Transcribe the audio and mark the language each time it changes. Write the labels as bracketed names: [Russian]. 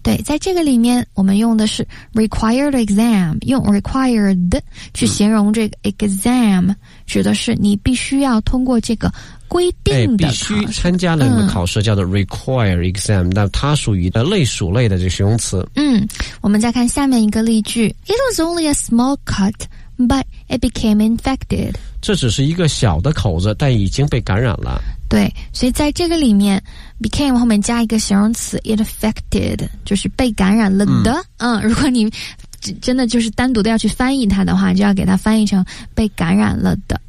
[Chinese] 对，在这个里面我们用的是 required exam, 用 required 去形容这个 exam, 指的是你必须要通过这个规定的考试。哎，必须参加了什么考试，叫做 required exam, 那它属于的类属类的这个形容词。嗯，我们再看下面一个例句。 [English] It was only a small cut,But it became infected. [Chinese] 这只是一个小的口子，但已经被感染了。对，所以在这个里面 ，became 后面加一个形容词 ，infected 就是被感染了的。嗯，如果你真的就是单独的要去翻译它的话，就要给它翻译成被感染了的。